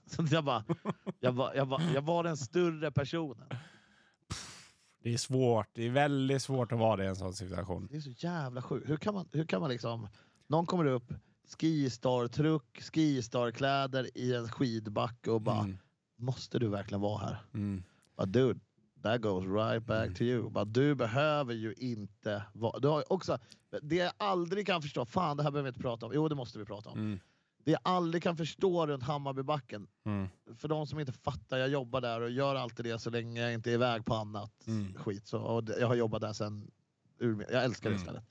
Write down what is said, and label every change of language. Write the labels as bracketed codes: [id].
[sv] Så jag var den större personen. Det är svårt. Det är väldigt svårt att vara det i en sån situation. Det är så jävla sjukt. Hur kan man liksom, någon kommer upp, skistartruck, skistarkläder i en skidback och bara måste du verkligen vara här? Mm. [en] But dude, that goes right back to you. [sv] But du behöver ju inte vara... Du har också, det jag aldrig kan förstå, fan det här behöver vi inte prata om. Jo, det måste vi prata om. Mm. Det jag aldrig kan förstå runt Hammarbybacken. Mm. För de som inte fattar, jag jobbar där och gör alltid det så länge jag inte är iväg på annat skit. Så, och jag har jobbat där sen jag älskar det istället.